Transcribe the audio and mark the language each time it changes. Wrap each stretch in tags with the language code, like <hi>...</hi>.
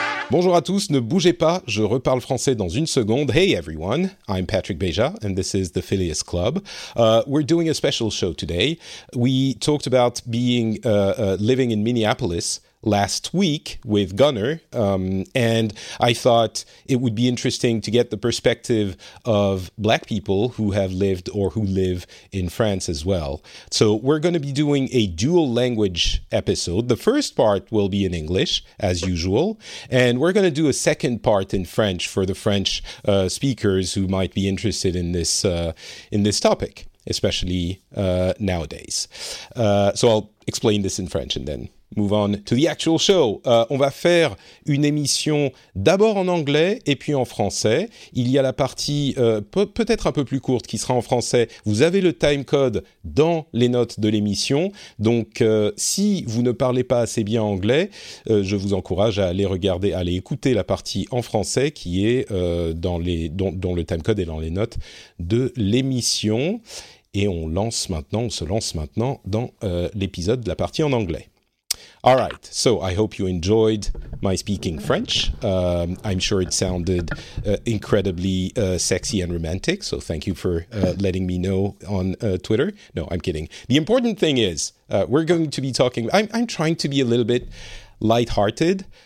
<fr>Bonjour à tous, ne bougez pas, je reparle français dans une seconde.</fr> <en>Hey everyone, I'm Patrick Beja and this is the Phileas Club. We're doing a special show today. We talked about being living in Minneapolis last week with Gunnar, and I thought it would be interesting to get the perspective of black people who have lived or who live in France as well. So we're going to be doing a dual language episode. The first part will be in English, as usual, and we're going to do a second part in French for the French speakers who might be interested in this topic, especially nowadays. So I'll explain this in French and then move on to the actual show.</en> <fr>On va faire une émission d'abord en anglais et puis en français. Il y a la partie peut-être un peu plus courte qui sera en français. Vous avez le time code dans les notes de l'émission. Donc, si vous ne parlez pas assez bien anglais, je vous encourage à aller regarder, à aller écouter la partie en français qui est dont le time code est dans les notes de l'émission. Et on se lance maintenant dans l'épisode de la partie en anglais.</fr> <en>All right, so I hope you enjoyed my speaking French. I'm sure it sounded incredibly sexy and romantic, so thank you for letting me know on Twitter. No, I'm kidding. The important thing is we're going to be talking. I'm trying to be a little bit lighthearted.</en>